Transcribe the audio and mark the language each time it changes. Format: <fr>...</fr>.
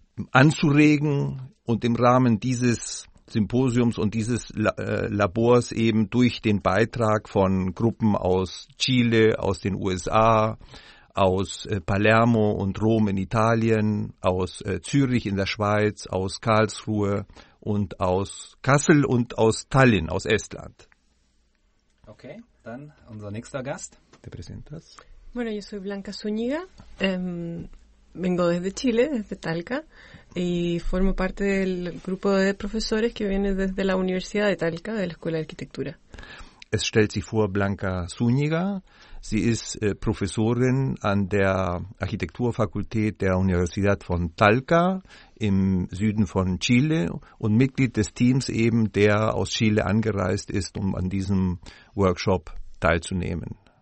<de>anzuregen und im Rahmen dieses Symposiums und dieses Labors eben durch den Beitrag von Gruppen aus Chile, aus den USA, aus Palermo und Rom in Italien, aus Zürich in der Schweiz, aus Karlsruhe und aus Kassel und aus Tallinn, aus Estland. Okay, dann unser nächster Gast. Der Präsentas.</de> <es>Bueno, yo soy Blanca Zuniga. Vengo desde Chile, desde Talca. Y formo parte del grupo de profesores que viene desde la Universidad de Talca, de la Escuela de Arquitectura.</es> <de>Es stellt sich vor Blanca Zuniga. Sie ist Professorin an der Architekturfakultät der Universidad von Talca im Süden von Chile und Mitglied des Teams eben, der aus Chile angereist ist, um an diesem Workshop teilzunehmen.</de>